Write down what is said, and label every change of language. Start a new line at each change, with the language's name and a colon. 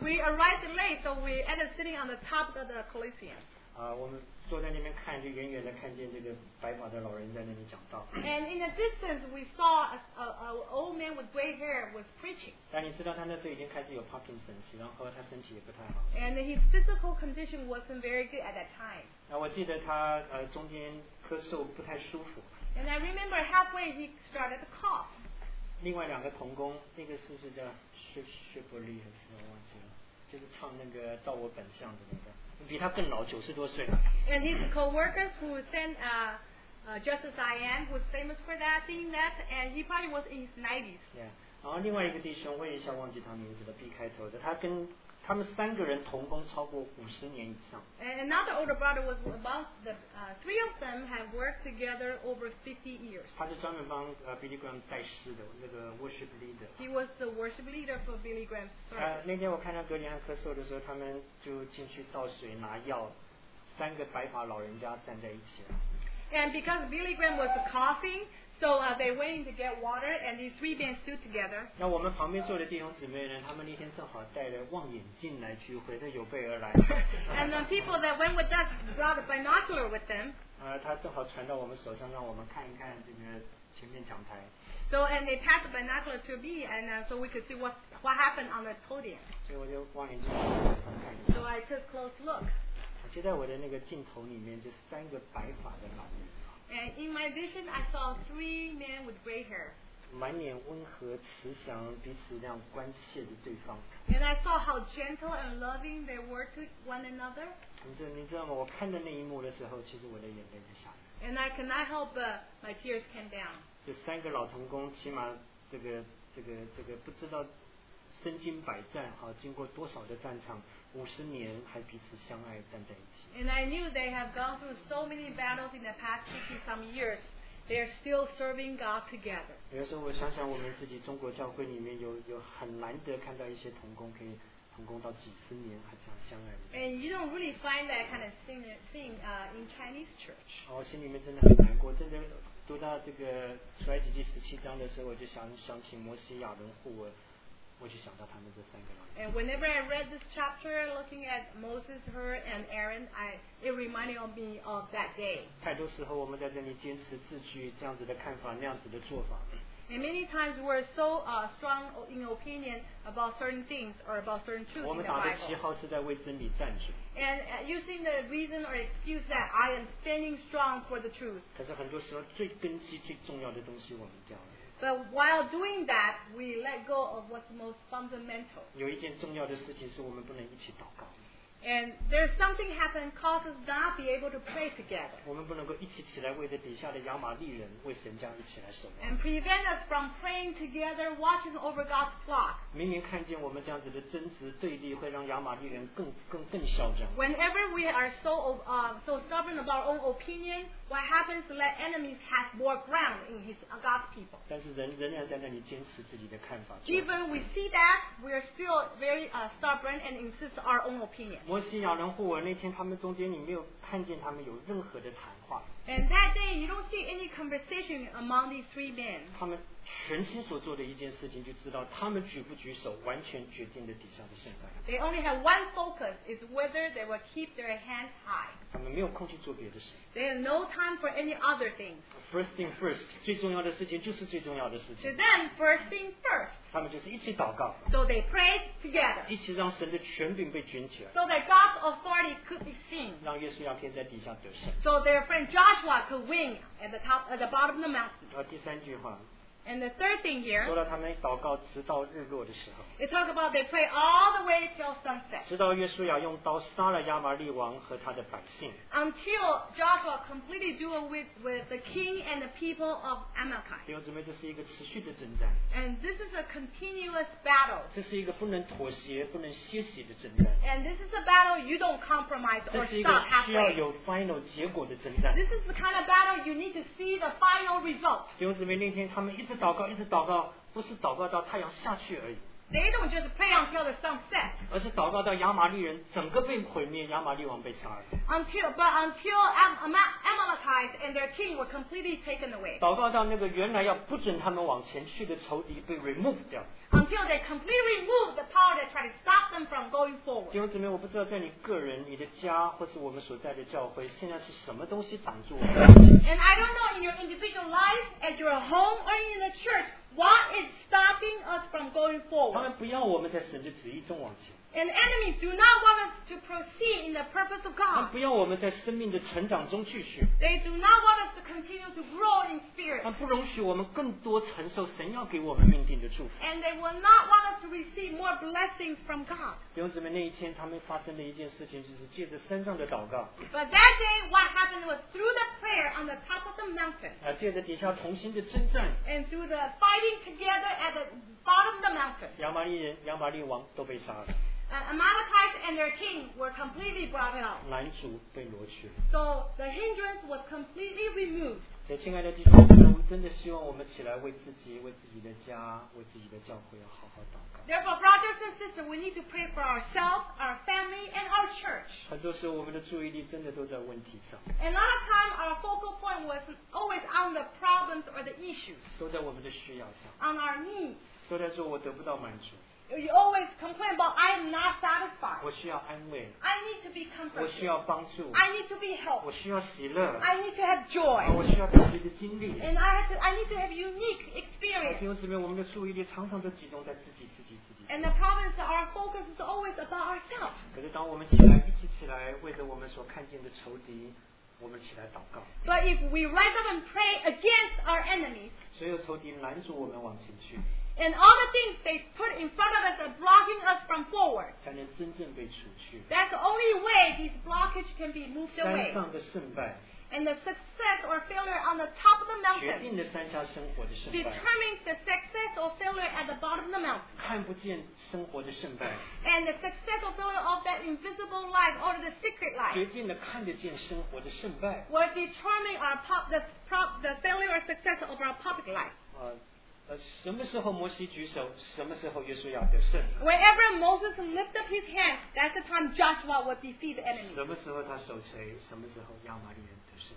English: We arrived late, so we ended sitting on the top of the coliseum.
Chinese: 我们坐在那边看，就远远的看见这个白发的老人在那里讲道。
English: And in the distance, we saw an old man with gray hair was preaching.
Chinese: 但你知道他那时候已经开始有 Parkinson's， 然后他身体也不太好。
English: And his physical condition wasn't very good at that time.
Chinese: 我记得他中间咳嗽不太舒服。
English: And I remember halfway he started to cough.
Chinese: 另外两个同工，那个是不是叫Shibboleth还是我忘记了，就是唱那个照我本相的那个。比他更老，九十多岁了。
English: And his co-workers who sang Just As I Am, who's famous for that, singing that, and he probably was in his 90s. Yeah.
Chinese: 然后另外一个弟兄，问一下忘记他名字了 ，B 开头的，他跟他们三个人同工超过五十年以上。
English: And another older brother was about the three of them have worked together over 50 years.
Chinese: 他是专门帮Billy Graham 带师的那个
English: worship leader。 He was the worship leader for Billy Graham's service.
Chinese: 那天我看到格林汉咳嗽的时候，他们就进去倒水拿药，三个白发老人家站在一起。
English: And because Billy Graham was coughing, so they went in to get water, and these three men stood together.
Chinese: 那我们旁边坐的弟兄姊妹呢？他们那天正好带着望远镜来聚会，他有备而来。
English: And the people that went with us brought a binocular with them.
Chinese: 他正好传到我们手上，让我们看一看这个前面讲台。
English: So and they passed the binocular to me, and so we could see what happened on the podium.
Chinese: 所以我就望远镜看一下。
English: So I took a close look.
Chinese: 就在我的那个镜头里面，就三个白发的老人。
English: And in my vision, I saw three men with gray hair.
Chinese: 满脸温和、慈祥，彼此那样关切的对方。
English: And I saw how gentle and loving they were to one another.
Chinese: 你知道吗？我看到那一幕的时候，其实我的眼泪就下来。
English: And I cannot help but my tears came down.
Chinese: 这三个老同工，起码这个不知道身经百战，经过多少的战场。五十年还彼此相爱站在一起。
English: And I knew they have gone through so many battles in the past 50 some years. They are still serving God together.
Chinese: 有时候我想想我们自己中国教会里面有很难得看到一些同工可以同工到几十年还这样相爱。
English: And you don't really find that kind of thing in Chinese church.
Chinese: 我心里面真的很难过，真的读到这个出埃及记17章的时候，我就想起摩西亚伦护我。我就想到他们这三个人。
English: And whenever I read this chapter, looking at Moses, Hur, and Aaron, it reminded me of that day.
Chinese: 太多时候我们在这里坚持自己这样子的看法，那样子的做法。
English: And many times we're so strong in opinion about certain things or about certain truths.
Chinese: 我们打的旗号是在为真理站着。
English: And using the reason or excuse that I am standing strong for the truth.
Chinese: 可是很多时候最根基最重要的东西我们掉了。
English: But while doing that, we let go of what's most fundamental.
Chinese: 有一件重要的事情是我们不能一起祷告。
English: And there's something happened causes us not to be able to pray together.
Chinese: 我们不能够一起起来为着底下的亚玛利人为神家一起来守。
English: And prevent us from praying together, watching over God's flock.
Chinese: 明明看见我们这样子的争执对立会让亚玛利人更嚣张。
English: Whenever we are so stubborn about our own opinion, what happens to let enemies have more ground in his God's people?
Chinese: 但是人仍然在那里坚持自己的看法。
English: Even we see that, we are still very stubborn and insist our own opinion.
Chinese: 摩西亚人互文那天他们中间你没有看见他们有任何的谈话。
English: And that day you don't see any conversation among these three men.
Chinese: 他们全心所做的一件事情就知道他们举不举手完全决定了底下的胜败。
English: They only have one focus is whether they will keep their hands high.
Chinese: 他们没有空去做别的事。
English: They have no time for any other things. First thing first,
Chinese: 最重要的事情就是最重要的事情。
English: To them, first thing first.
Chinese: 他们就是一起祷告
English: so they prayed together
Chinese: 一起让神的权柄被卷起来
English: so that God's authority could be seen
Chinese: 让耶稣要天在底下得胜
English: so their friend Joshua could win at the bottom of the mountain
Chinese: 然后第三句话
English: and the third thing here
Chinese: 说到他们祷告直到日落的时候
English: they talk about they pray all the way till sunset
Chinese: 直到耶稣要用刀杀了亚玛利王和他的百姓
English: until Joshua completely do it with the king and the people of Amalekite
Chinese: 弟兄姊妹这是一个持续的征战
English: and this is a continuous battle
Chinese: 这是一个不能妥协不能歇息的征战
English: and this is a battle you don't compromise or stop halfway
Chinese: 这是一个需要有 final 结果的征战
English: this is the kind of battle you need to see the final result
Chinese: 弟兄姊妹那天他们一直祷告不是祷告到太阳下去而已
English: they don't just pray until the sun set
Chinese: 而是祷告到亚玛利人整个被毁灭亚玛利王被杀
English: until Amalekites and their king were completely taken away
Chinese: 祷告到那个原来要不准他们往前去的仇敌被 removed 掉
English: until they completely removed the power that tried to stop them from going forward
Chinese: 弟兄姊妹我不知道在你个人你的家或是我们所在的教会现在是什么东西挡住我们
English: And I don't know in your individual life, at your home, or in the church, what is stopping us from going forward?
Chinese: 他们不要我们在神的旨意中往前。
English: And enemies do not want us to proceed in the purpose of God.
Chinese: 他们不要我们在生命的成长中继续。
English: They do not want us to continue to grow in spirit.
Chinese: 他们不容许我们更多承受神要给我们命定的祝福。
English: And they will not want us to receive more blessings from God.
Chinese: 弟兄姊妹，那一天他们发生的一件事情就是借着山上的祷告。
English: But that day, what happened was through the prayer on the top of the mountain.
Chinese: 啊，借着底下同心的征战。
English: And through the fighting together at the bottom of the mountain.
Chinese: 亚玛利王都被杀了。
English: Amalekites and their king were completely brought out.
Chinese: 拦阻被挪去。
English: So the hindrance was completely removed.
Chinese: 所以，亲爱的弟兄姊妹，我们真的希望我们起来为自己、为自己的家、为自己的教会要好好祷告。
English: Therefore, brothers and sisters, we need to pray for ourselves, our family, and our church.
Chinese: 很多时候，我们的注意力真的都在问题上。
English: And a lot of time, our focal point was always on the problems or the issues.
Chinese: 都在我们的需要上。
English: On our needs.
Chinese: 都在说我得不到满足。
English: You always complain about I am not satisfied.
Chinese: 我需要安慰。
English: I need to be comforted.
Chinese: 我需要帮助。
English: I need to be helped.
Chinese: 我需要喜乐。
English: I need to have joy.
Chinese: 我需要特别的经历。
English: And I need to have unique experience.
Chinese: 弟兄姊妹，我们的注意力常常都集中在自己。
English: And the problem is our focus is always about ourselves.
Chinese: 可是当我们起来，一起起来，为着我们所看见的仇敌，我们起来祷告。
English: But if we rise up and pray against our enemies,
Chinese: 所有仇敌拦阻我们往前去。
English: And all the things they put in front of us are blocking us from forward.
Chinese: 才能真正被除去。
English: That's the only way these blockage can be moved away.
Chinese: 山上的胜败。
English: And the success or failure on the top of the mountain.
Chinese: 决定了山下生活的胜败。
English: Determines the success or failure at the bottom of the mountain.
Chinese: 看不见生活的胜败。
English: And the success or failure of that invisible life or the secret life.
Chinese: 决定了看得见生活的胜败。
English: Will determine our the failure or success of our public life.
Chinese: 什么时候摩西举手，什么时候约书亚得胜。
English: Whenever Moses lift up his hand, that's the time Joshua would defeat the enemy.
Chinese: 什么时候他手垂，什么时候亚玛利人得胜。